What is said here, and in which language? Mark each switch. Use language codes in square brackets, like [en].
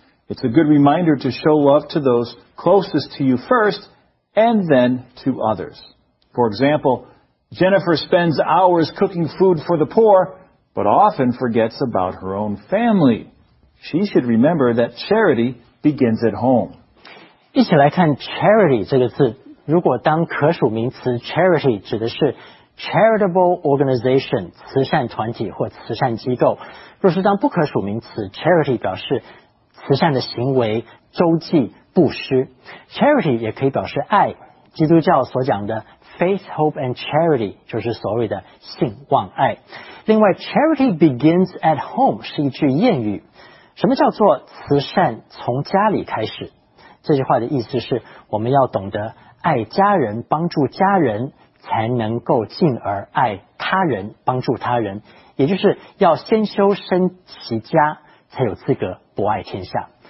[en] It's a good reminder to show love to those closest to you first, and then to others. For example, Jennifer spends hours cooking food for the poor, but often forgets about her own family. She should remember that charity begins at home. [zh] 一起来看 charity 这个字，如果当可数名词 charity 指的是 charitable organization 慈善团体或慈善机构，若是当不可数名词 charity 表示慈善的行为、周济、布施。 Charity 也可以表示爱，基督教所讲的 [en] Faith, hope, and charity [zh] 就是所谓的信望爱。另外 ,charity begins at home 是一句谚语。什么叫做慈善从家里开始？这句话的意思是我们要懂得爱家人，帮助家人，才能够进而爱他人，帮助他人。也就是要先修身齐家，才有资格博爱天下。